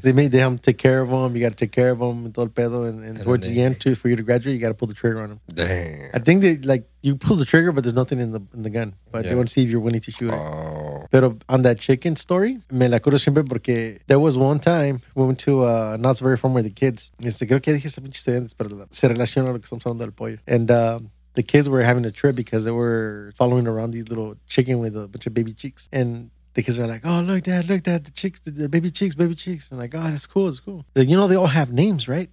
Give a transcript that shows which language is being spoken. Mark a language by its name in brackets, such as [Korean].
[English] They have him take care of him. You got to take care of him and [Spanish] todo el pedo. [English] And towards the end, too, for you to graduate, you got to pull the trigger on him. Damn. I think they, like, you pull the trigger, but there's nothing in the gun. But they want to see if you're willing to shoot it. But on that chicken story, [Spanish] me la curo siempre porque [English] there was one time we went to Knott's Berry Farm with the kids. [Spanish] Creo que dije esa pinche estudiante, pero se relaciona a lo que estamos hablando del pollo. [English] And the kids were having a trip because they were following around these little chicken with a bunch of baby chicks. And the kids were like, oh, look, dad, the chicks, the baby chicks. I'm like, oh, that's cool. Like, you know, they all have names, right?